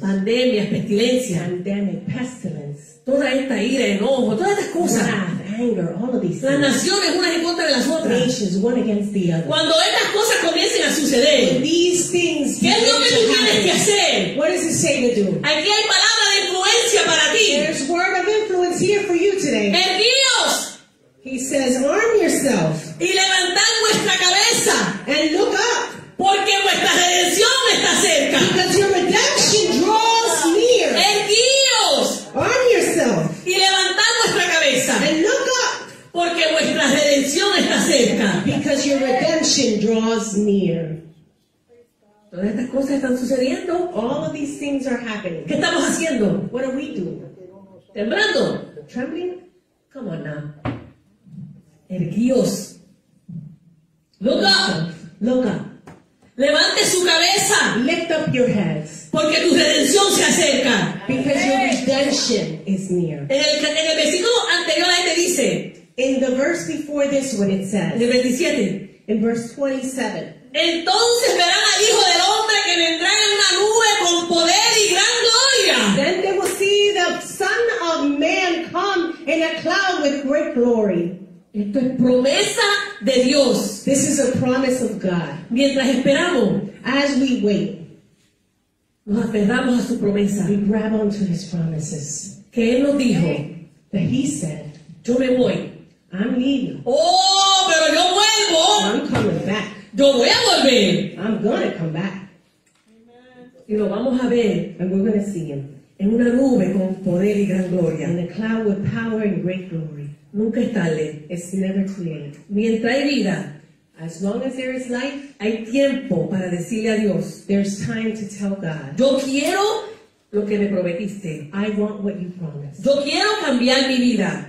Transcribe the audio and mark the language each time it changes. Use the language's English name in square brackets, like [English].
[Spanish] pandemias, pestilencia, [English] pandemic, pestilence, [Spanish] toda esta ira, enojo, todas estas cosas, [English] wrath, anger, all of these things, [Spanish] las naciones unas en contra de las otras, [English] nations, one against the other, [Spanish] cuando estas cosas comiencen a suceder, [English] when these things begin to happen, [Spanish] ¿qué es lo que tú tienes que hacer? [English] What does it say to do? [Spanish] Aquí hay palabra de influencia para ti. [English] There's word of influence here for you today. [Spanish] Envíos. [English] He says, arm yourself. [Spanish] Y levantad vuestra cabeza. [English] And look up. [Spanish] Porque vuestra redención está cerca. [English] Because your redemption draws near. [Spanish] Envíos. [English] Arm yourself. [Spanish] Y levantad vuestra cabeza. [English] And look up. [Spanish] Porque vuestra redención está cerca. [English] Because your redemption draws near. [Spanish] Todas estas cosas están sucediendo. [English] All of these things are happening. [Spanish] ¿Qué estamos haciendo? [English] What are we doing? [Spanish] Temblando. [English] Trembling. Come on now. Erguíos. Look up. Look up. [Spanish] Levante su cabeza. [English] Lift up your heads. [Spanish] Porque tu redención se acerca. [English] Because your redemption is near. [Spanish] En el versículo anterior ahí te dice. [English] In the verse before this what it says. [Spanish] En el 27. [English] In verse 27. [Spanish] Entonces verán al Hijo del Hombre que vendrá en una nube con poder y gran gloria. [English] Then they will see the Son of Man come in a cloud with great glory. [Spanish] Esto es promesa de Dios. [English] This is a promise of God. [Spanish] Mientras esperamos, [English] as we wait, [Spanish] nos aferramos a su promesa. [English] We grab onto his promises. [Spanish] Que él nos dijo, [English] that he said, [Spanish] yo me voy. [English] I'm leaving. [Spanish] Oh, pero yo vuelvo. [English] I'm coming back. [Spanish] Yo voy a volver. [English] I'm gonna come back. [Spanish] Y lo vamos a ver. [English] And we're gonna see him. [Spanish] En una nube con poder y gran gloria. [English] In a cloud with power and great glory. [Spanish] Nunca es tarde. [English] It's never too late. [Spanish] Mientras hay vida. [English] As long as there is life. [Spanish] Hay tiempo para decirle a Dios. [English] There's time to tell God. [Spanish] Yo quiero lo que me prometiste. [English] I want what you promised. [Spanish] Yo quiero cambiar mi vida.